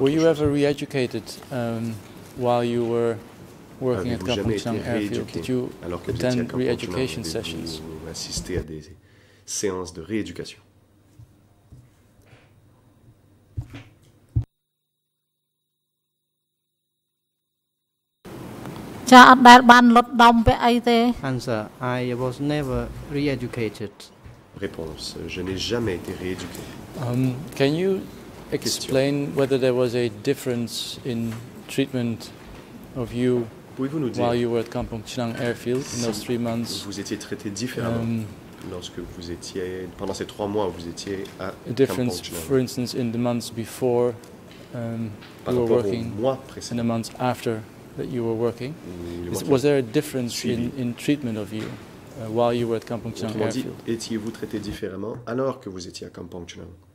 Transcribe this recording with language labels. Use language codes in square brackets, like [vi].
[en] Were you ever re-educated while you were working at Kampong Chang Airfield? Did you attend re-education sessions? [fr] Avez-vous assisté à des séances de rééducation? [en] Answer, I was never re-educated. [fr] Réponse, je n'ai jamais été rééduqué. [en] Can you explain whether there was a difference in treatment of you [fr] pouvez-vous nous dire, [en] while you were at Kampong Chinang Airfield in those 3 months, [fr] vous étiez traité différemment lorsque vous étiez pendant ces 3 mois vous étiez à Kampong Chinang. [en] A difference, for instance, in the months before you were working, in the months after that you were working, was there a difference in treatment of you while you were at Kampong Chinang Airfield? [fr] Autrement dit, étiez-vous traité différemment alors que vous étiez à Kampong Chinang?